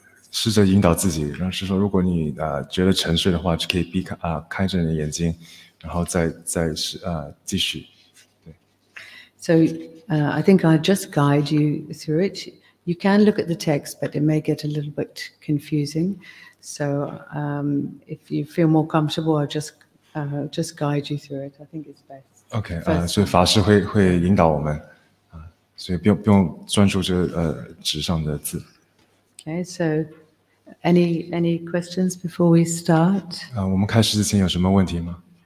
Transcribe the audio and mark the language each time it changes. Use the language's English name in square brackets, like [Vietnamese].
[Chinese] 试着引导自己，然后是说，如果你觉得沉睡的话，就可以开着你的眼睛，然后再继续。对。 [English] So I think I just guide you through it. You can look at the text, but it may get a little bit confusing. So if you feel more comfortable, I'll just guide you through it. I think it's best. [Chinese] OK, 所以法师会引导我们，所以不用专注这纸上的字。 [English] OK, so any questions before we start? [Chinese] 我们开始之前有什么问题吗？